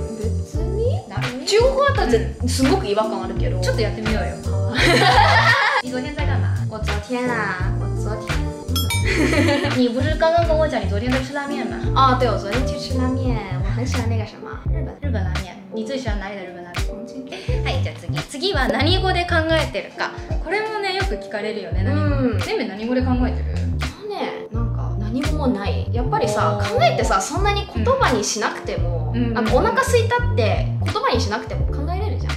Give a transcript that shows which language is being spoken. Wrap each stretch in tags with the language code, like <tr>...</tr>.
<ja>別に中国語だったらすごく違和感あるけど、ちょっとやってみようよ。</ja> <zh>你昨天在干嘛？我昨天啊，我昨天。你不是刚刚跟我讲你昨天在吃拉面吗？啊，对，我昨天去吃拉面，我很喜欢那个什么，日本拉面。你最喜欢哪里的日本拉面？</zh> <ja>重庆。はい、じゃあ次。次は何語で考えてるか。これもね、よく聞かれるよね。全部何語で考えてる？ね、なんか何語もない。やっぱりさ、考えてさ、そんなに言葉にしなくても、なんかお腹空いたって言葉にしなくても考えれるじゃん。</ja>